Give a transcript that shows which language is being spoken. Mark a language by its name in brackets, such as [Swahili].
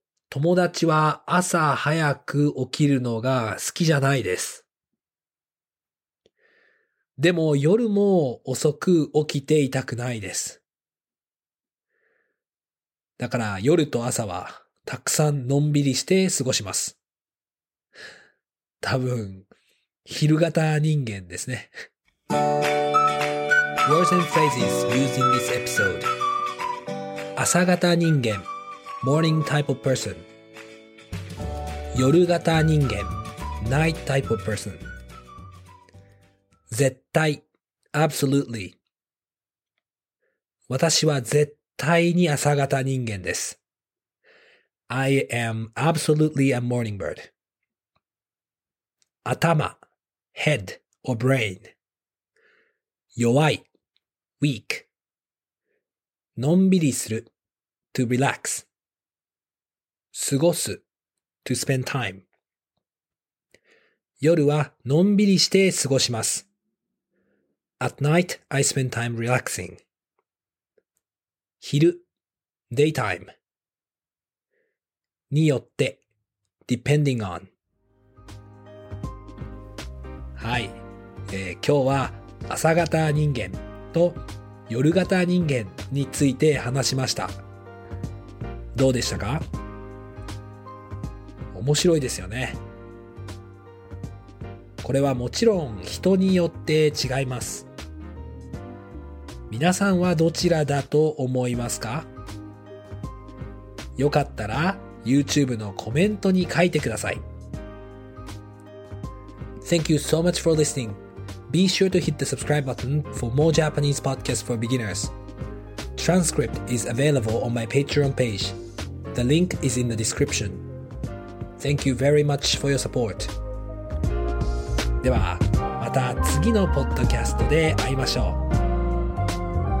[Japanese] 友達は朝早く起きるのが好きじゃないです。でも夜も遅く起きていたくないです。だから夜と朝はたくさんのんびりして過ごします。多分昼型人間ですね。 [English] Words and phrases used in this episode. 朝型人間 Morning type of person. 夜型人間 Night type of person. [Japanese] 絶対 Absolutely. 私は絶対絶対に朝型人間です。 [English] I am absolutely a morning bird. 頭 head or brain. 弱い weak. のんびりする to relax. 過ごす to spend time. [Japanese] 夜はのんびりして過ごします。 [English] At night, I spend time relaxing. 昼 daytime によって depending on。 [Japanese] はい、今日は朝型人間と夜型人間について話しました。どうでしたか？面白いですよね。これはもちろん人によって違います。皆さんはどちらだと思いますか？よかったら YouTube のコメントに書いてください。 [English] Thank you so much for listening. Be sure to hit the subscribe button for more Japanese podcasts for beginners. Transcript is available on my Patreon page. The link is in the description. Thank you very much for your support. [Japanese] ではまた次のポッドキャストで会いましょう。